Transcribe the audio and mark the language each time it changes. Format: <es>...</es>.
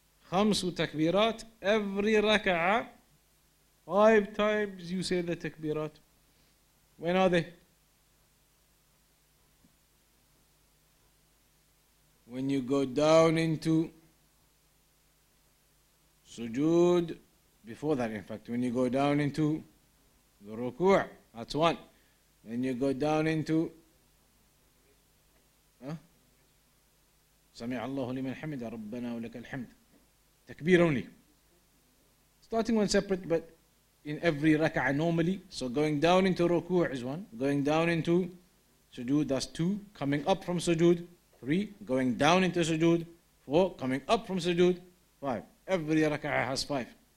<ar>خمس تكبيرات.</ar> <en>Every raka'ah, 5 times you say the takbirat. When are they? When you go down into sujood, Before that, in fact, when you go down into the ruku', that's one. Then you go down into</en> <ar>سَمِعَ اللَّهُ لِمَنْ حَمِدَ رَبَّنَا وَلَكَ الْحَمْدُ.</ar> <en>Takbir only. Starting one separate, but in every rak'ah normally. So going down into ruku' is one. Going down into sujood, that's two. Coming up from sujood, three. Going down into sujood, four. Coming up from sujood, five. Every rak'ah has five.</en>